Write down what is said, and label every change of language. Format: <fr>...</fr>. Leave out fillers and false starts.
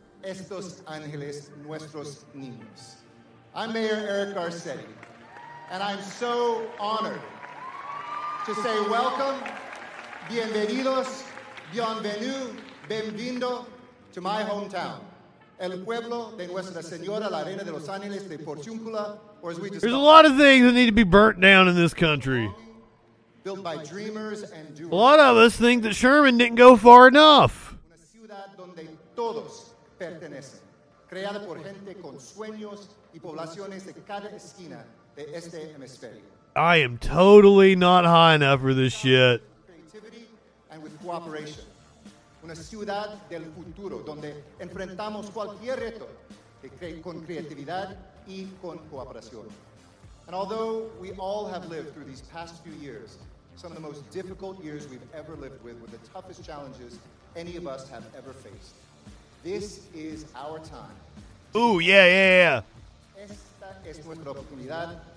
<es>Estos ángeles nuestros niños.</es> <en>I'm Mayor Eric Garcetti, and I'm so honored to say welcome, bienvenidos, bienvenue, bienvenido to my hometown,</en> <es>el pueblo de Nuestra Señora la Reina de los Ángeles de Portiúncula,</es> <en>or as we just... There's a lot of things that need to be burnt down in this country. Built by dreamers and doers. A lot of us think that Sherman didn't go far enough.</en> <es>Una ciudad donde todos... Creada por gente con sueños y poblaciones de cada esquina de este hemisferio.</es> <en>I am totally not high enough for this shit. Creativity and with cooperation.</en> <es>Una ciudad del futuro donde enfrentamos cualquier reto con creatividad y con cooperación.</es> <en>And although we all have lived through these past few years, some of the most difficult years we've ever lived with the toughest challenges any of us have ever faced. This is our time. Ooh, yeah.</en> <es>Esta es nuestra oportunidad.</es>